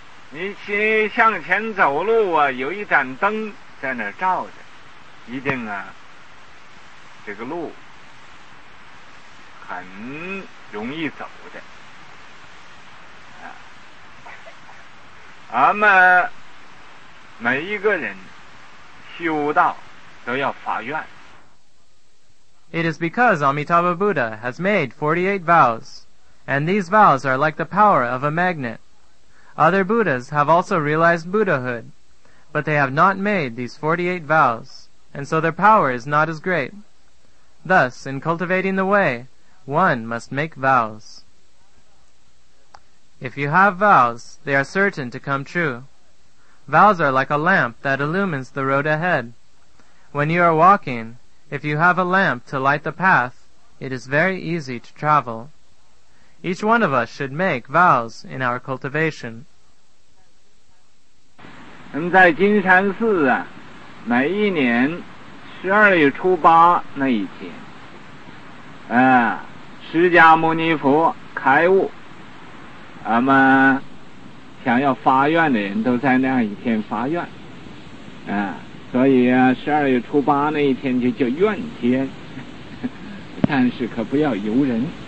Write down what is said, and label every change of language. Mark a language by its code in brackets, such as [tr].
[zh] 你先向前走路啊，有一盏灯在那照着，一定啊，这个路很容易走的。俺们每一个人修道都要发愿。 [en] It is because Amitabha Buddha has made 48 vows, and these vows are like the power of a magnet. Other Buddhas have also realized Buddhahood, but they have not made these 48 vows, and so their power is not as great. Thus, in cultivating the way, one must make vows. If you have vows, they are certain to come true. Vows are like a lamp that illumines the road ahead. When you are walking, if you have a lamp to light the path, it is very easy to travel. Each one of us should make vows in our cultivation. [zh] 在金山寺啊，每一年十二月初八那一天，释迦牟尼佛开悟，俺们想要发愿的人都在那样一天发愿，所以啊，十二月初八那一天就叫愿天，但是可不要游人。